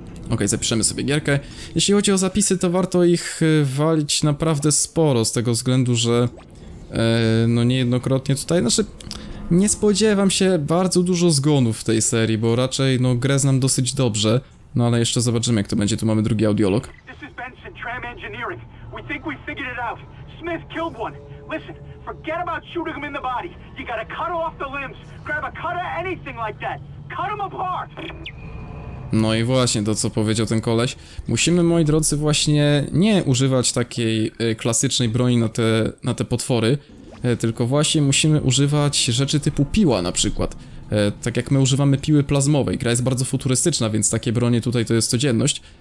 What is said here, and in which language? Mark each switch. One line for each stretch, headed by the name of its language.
Polish: Okej, zapiszemy sobie gierkę. Jeśli chodzi o zapisy, to warto ich walić naprawdę sporo, z tego względu, że... no niejednokrotnie tutaj, znaczy... Nie spodziewam się bardzo dużo zgonów w tej serii, bo raczej, no, grę znam dosyć dobrze. No ale jeszcze zobaczymy, jak to będzie. Tu mamy drugi audiolog.
English: This is Benson, Tram Engineering. We think we figured it out. Smith killed one. Listen, forget about shooting him in the body. You gotta cut off the limbs. Grab a cutter, anything like that. Cut him apart.
Polish: No i właśnie to, co powiedział ten koleś. Musimy, moi drodzy, właśnie nie używać takiej klasycznej broni na te potwory, tylko właśnie musimy używać rzeczy typu piła na przykład. Tak jak my używamy piły plazmowej, gra jest bardzo futurystyczna, więc takie bronie tutaj to jest codzienność.